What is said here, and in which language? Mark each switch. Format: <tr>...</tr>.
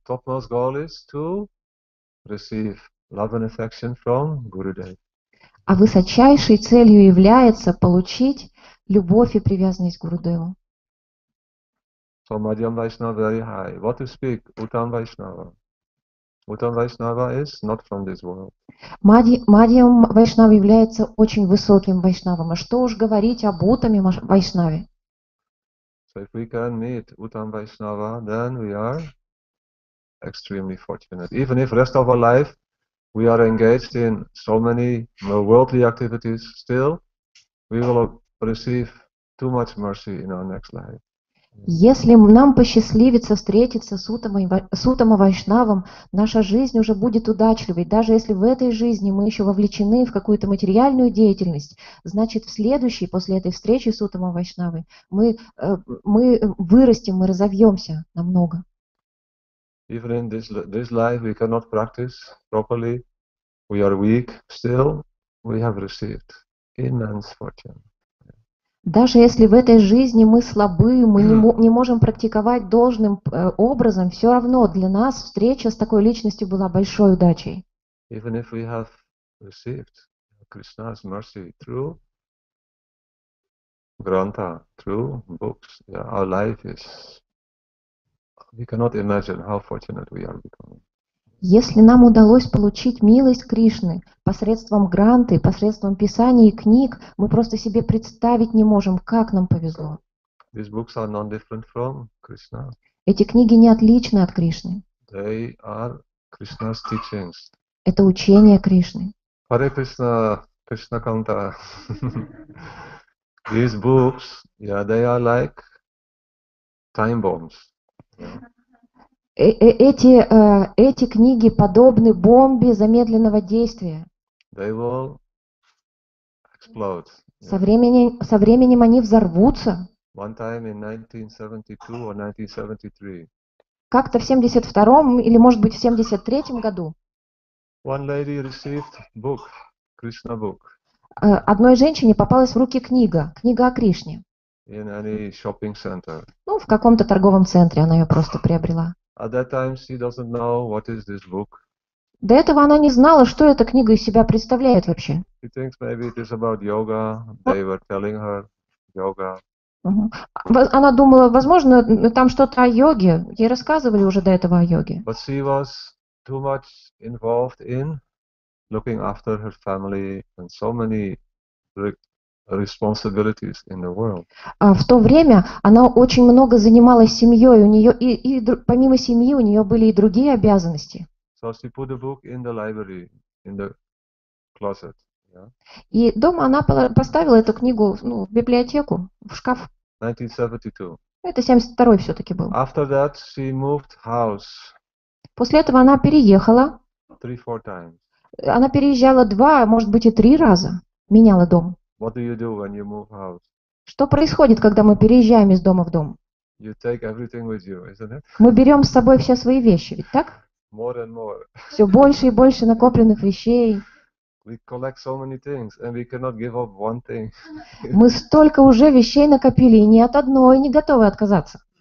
<en>Topmost goal is to receive love and affection from Gurudev.</en> <ru>А высочайшей целью является получить любовь и привязанность к Гурудеву.</ru> <en>So Madhyam Vaishnava very high. What you speak, Uttam Vaishnava. Uttam Vaishnava is not from this world.</en> <ru>Madhyam Vaishnava является очень высоким Вайшнавом. А что уж говорить об Уттаме Вайшнаве?</ru> <en>So if we can meet Uttam Vaishnava, then we are extremely fortunate. Even if rest of our life we are engaged in so many worldly activities, still we will receive too much mercy in our next life.</en> <ru>Если нам посчастливится встретиться с Уттама Вайшнавом, наша жизнь уже будет удачливой. Даже если в этой жизни мы еще вовлечены в какую-то материальную деятельность, значит, в следующей, после этой встречи с Уттама Вайшнавой, мы вырастем, мы разовьемся намного.</ru> <en>Even in this life we cannot practice properly, we are weak, still we have received immense fortune.</en> <ru>Даже если в этой жизни мы слабы, мы не можем практиковать должным образом, все равно для нас встреча с такой личностью была большой удачей.</ru> <en>Even if we have received Krishna's mercy through Granta, through books, our life is... We cannot imagine how fortunate we are becoming.</en> <ru>Если нам удалось получить милость Кришны посредством гранты, посредством писаний и книг, мы просто себе представить не можем, как нам повезло.</ru> <en>These books are not different from Krishna.</en> <ru>Эти книги не отличны от Кришны.</ru> <en>They are Krishna's teachings.</en> <ru>Это учение Кришны.</ru> <en>Hare Krishna, Krishna Kanta. These books, they are like time bombs.</en> <ru>Эти книги подобны бомбе замедленного действия.</ru> <en>They will explode.</en> <ru>Со временем они взорвутся.</ru> <en>One time in 1972 or 1973.</en> <ru>Как-то в 72-м или, может быть, в 73-м году.</ru> <en>One lady received book, Krishna book.</en> <ru>Одной женщине попалась в руки книга о Кришне.</ru> <en>In any shopping center.</en> <ru>Ну, в каком-то торговом центре она ее просто приобрела.</ru> <en>At that time she doesn't know what is this book.</en> <ru>До этого она не знала, что эта книга из себя представляет вообще.</ru> <en>She thinks maybe it is about yoga. They were telling her yoga.</en> <ru>Она думала, возможно, там что-то о йоге. Ей рассказывали уже до этого о йоге.</ru> <en>But she was too much involved in looking after her family and so many responsibilities in the world.</en> <ru>В то время она очень много занималась семьей, у нее и помимо семьи у нее были и другие обязанности.</ru> <en>So she put the book in the library, in the closet. Yeah.</en> <ru>И дома она поставила эту книгу, ну, в библиотеку, в шкаф.</ru> <en>1972.</en> <ru>Это 72-й все-таки был.</ru> <en>After that she moved house.</en> <ru>После этого она переехала.</ru> <en>3-4 times.</en> <ru>Она переезжала 2, может быть, и 3 раза, меняла дом.</ru> <en>What do you do when you move house?</en> <ru>Что происходит, когда мы переезжаем из дома в дом?</ru> <en>You take everything with you, isn't it?</en> <ru>Мы берем с собой все свои вещи, ведь так?</ru> <en>More and more.</en> <ru>Все больше и больше накопленных вещей.</ru> <en>We collect so many things, and we cannot give up one thing.</en> <ru>Мы столько уже вещей накопили, и ни от одной не готовы отказаться.</ru>